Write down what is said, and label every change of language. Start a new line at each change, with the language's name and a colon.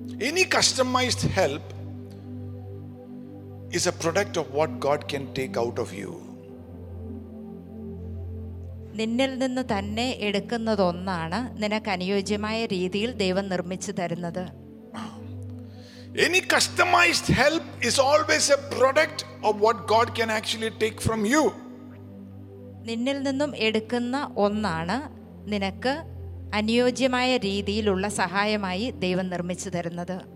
English: ഇനി customised help is a product of what God can take out of you.
Malayalam: നിന്നിൽ നിന്ന് തന്നെ എടുക്കുന്നതൊന്നാണ് നിനക്ക് അനുയോജ്യമായ രീതിയിൽ ദൈവം നിർമ്മിച്ചു തരുന്നത്.
English: Any customized help is always a product of what God can actually take from you.
Malayalam: നിന്നിൽ നിന്നും എടുക്കുന്ന ഒന്നാണ് നിനക്ക് അനുയോജ്യമായ രീതിയിലുള്ള സഹായമായി ദൈവം നിർമ്മിച്ചു തരുന്നത്.